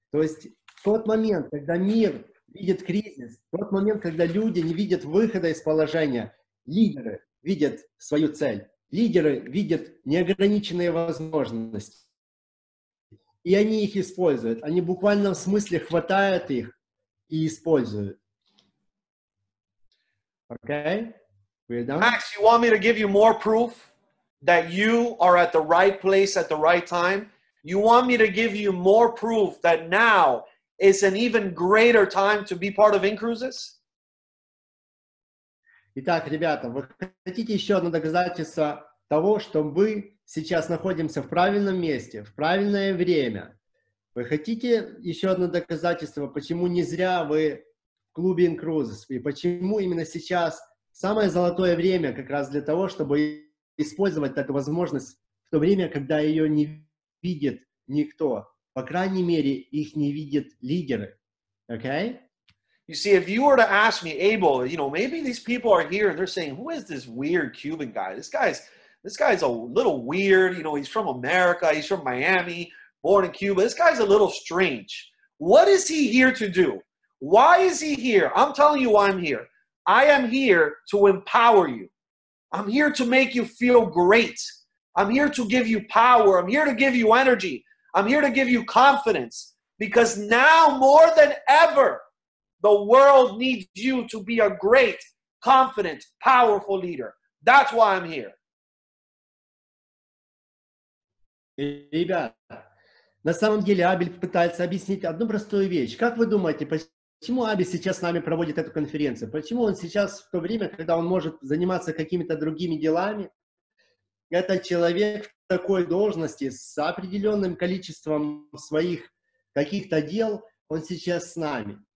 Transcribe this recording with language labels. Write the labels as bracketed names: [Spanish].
[Russian] То есть тот момент, когда мир видит кризис, тот момент, когда люди не видят выхода из положения, лидеры видят свою цель, лидеры видят неограниченные возможности. И они их используют. Они буквально в смысле хватают их и используют. [English] Okay? Max, you want me to give you more proof that you are at the right place at the right time? You want me to give you more proof that now is an even greater time to be part of Incruises? [Russian] Итак, ребята, вы хотите еще одно доказательство того, что мы сейчас находимся в правильном месте, в правильное время? Вы хотите еще одно доказательство, почему не зря вы в клубе Incruises? И почему именно сейчас самое золотое время как раз для того, чтобы использовать такую возможность в то время, когда ее не видит никто. По крайней мере, их не видят лидеры. [English] Okay? You see, if you were to ask me, Abel, you know, maybe these people are here and they're saying, who is this weird Cuban guy? This guy's a little weird. You know, he's from America. He's from Miami, born in Cuba. This guy's a little strange. What is he here to do? Why is he here? I'm telling you why I'm here. I am here to empower you. I'm here to make you feel great. I'm here to give you power. I'm here to give you energy. I'm here to give you confidence. Because now more than ever, the world needs you to be a great, confident, powerful leader. That's why I'm here. [Russian] Ребята, на самом деле Абель пытается объяснить одну простую вещь. Как вы думаете, Почему Аби сейчас с нами проводит эту конференцию? Почему он сейчас в то время, когда он может заниматься какими-то другими делами, это человек в такой должности с определенным количеством своих каких-то дел, он сейчас с нами.